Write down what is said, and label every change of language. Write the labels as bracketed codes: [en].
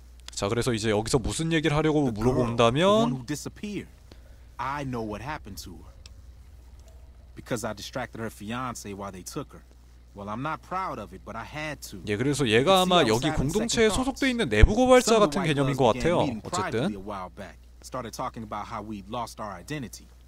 [ko] 자, 그래서 이제 여기서 무슨 얘기를 하려고 물어본다면. [en] I know what happened to her. Because I distracted her fiance while they took her. Well, I'm not proud of it, but I had to. [ko] 예, 그래서 얘가 아마 여기 공동체에 소속돼 있는 내부 고발자 같은 개념인 것 같아요. 어쨌든 [en] started talking about how we lost our identity.